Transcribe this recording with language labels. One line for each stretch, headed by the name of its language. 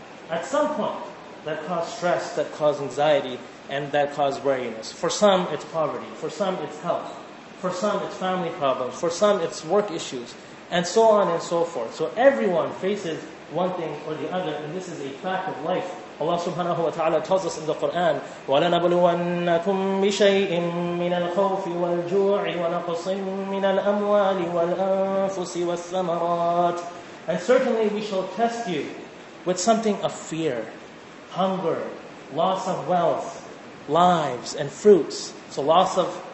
English: At some point, that cause stress, that cause anxiety, and that cause weariness. For some, it's poverty. For some, it's health. For some, it's family problems. For some, it's work issues. And so on and so forth. So everyone faces one thing or the other. And this is a fact of life. Allah subhanahu wa ta'ala tells us in the Quran,
Arabic: وَلَنَبْلُوَنَّكُمْ بِشَيْءٍ مِّنَ الْخَوْفِ وَالْجُوعِ وَنَقْصٍ مِّنَ الْأَمْوَالِ وَالْأَنفُسِ وَالثَّمَرَاتِ.
English: And certainly we shall test you with something of fear, hunger, loss of wealth, lives and fruits. So loss of